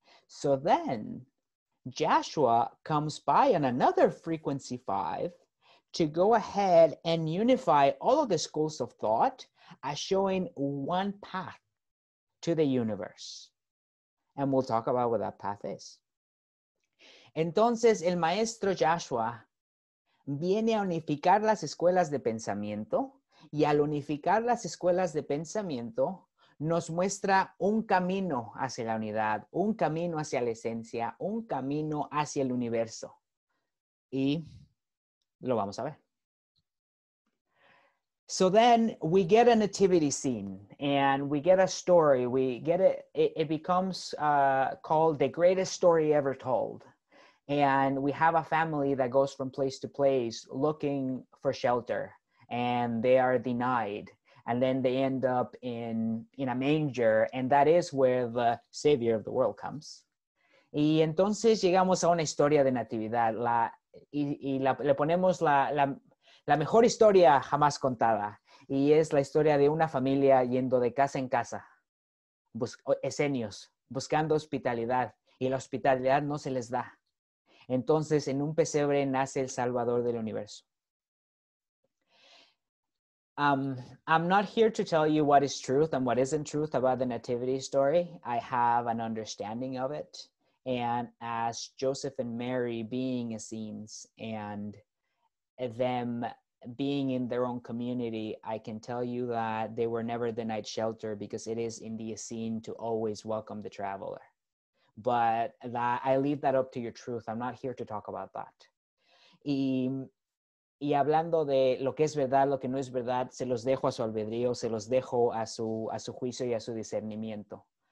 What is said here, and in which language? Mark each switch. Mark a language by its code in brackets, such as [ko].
[en] So then, Joshua comes by on another frequency 5 to go ahead and unify all of the schools of thought as showing one path to the universe. And we'll talk about what that path is. [es] Entonces, el maestro Joshua viene a unificar las escuelas de pensamiento, y al unificar las escuelas de pensamiento nos muestra un camino hacia la unidad, un camino hacia la esencia, un camino hacia el universo. Y lo vamos a ver. [en] So then we get a nativity scene and we get a story. We get it becomes called the greatest story ever told. And we have a family that goes from place to place looking for shelter, and they are denied. And then they end up in a manger, and that is where the savior of the world comes. [es] Y entonces llegamos a una historia de natividad. Le ponemos la mejor historia jamás contada. Y es la historia de una familia yendo de casa en casa, esenios, buscando hospitalidad. Y la hospitalidad no se les da. Entonces, en un pesebre nace el Salvador del Universo. [en] I'm not here to tell you what is truth and what isn't truth about the nativity story. I have an understanding of it. And as Joseph and Mary being Essenes and them being in their own community, I can tell you that they were never denied shelter because it is in the Essene to always welcome the traveler. But that, I leave that up to your truth. I'm not here to talk about that. [es] Y hablando de lo que es verdad, lo que no es verdad, se los dejo a su albedrío, se los dejo a su juicio y a su discernimiento.